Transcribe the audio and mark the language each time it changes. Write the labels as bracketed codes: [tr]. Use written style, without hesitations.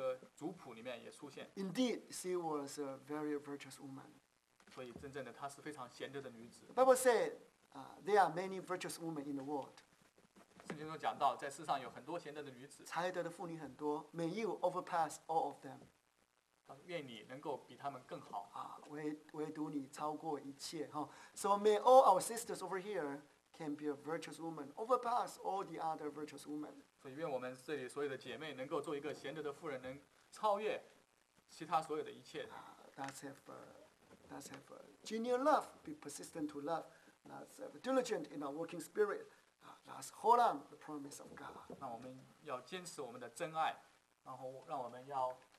[zh] 甚至路德的名字在主耶稣的年这个出生年这个族谱里面也出现。 [en] Indeed, she was a very virtuous woman. [zh] 所以，真正的她是非常贤德的女子。 [en] The Bible said, "There are many virtuous women in the world." [zh] 圣经中讲到，在世上有很多贤德的女子。才德的妇女很多。 [en] May you overpass all of them. [zh] 愿你能够比他们更好。唯独你超过一切。 [en] So may all our sisters over here can be a virtuous woman, overpass all the other virtuous women. [zh] 所以愿我们这里所有的姐妹能够做一个贤德的妇人，能超越其他所有的一切。 [en] Let's have genuine love, be persistent to love, let's have diligent in our working spirit, let's hold on the promise of God. [zh] 那我们要坚持我们的真爱，然后让我们要。